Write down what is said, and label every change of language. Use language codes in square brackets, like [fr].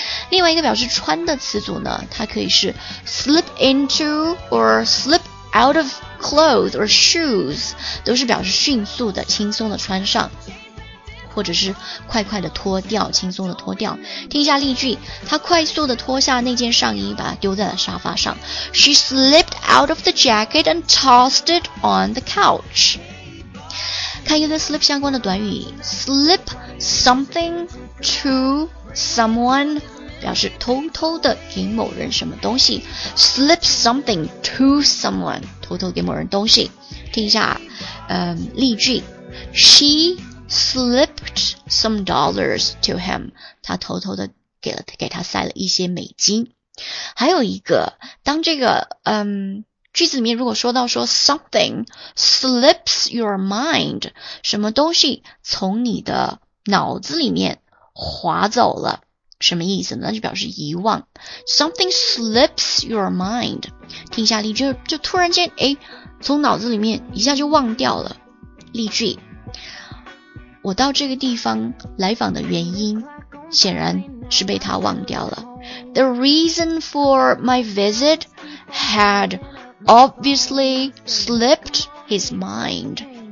[zh] 另外一个表示穿的词组呢，它可以是 [en] slip into or slip out of clothes or shoes， [zh] 都是表示迅速的、轻松的穿上，或者是快快的脱掉、轻松的脱掉。听一下例句，她快速的脱下那件上衣，把它丢在了沙发上。 [en] She slipped out of the jacket and tossed it on the couch。 [zh] 看一个跟 slip 相关的短语， [en] slip something to someone [zh] 表示偷偷的给某人什么东西。 [en] slip something to someone [zh] 偷偷给某人东西。听一下例句， [en] She slipped some dollars to him， [zh] 她偷偷的给他塞了一些美金。还有一个，当这个句子里面如果说到说 [en] something slips your mind， [zh] 什么东西从你的脑子里面滑走了，什么意思呢？那就表示遗忘。 [en] something slips your mind， [zh] 听一下例句， 就突然间从脑子里面一下就忘掉了。例句，我到这个地方来访的原因显然是被他忘掉了。 [en] The reason for my visit had obviously slipped his mind。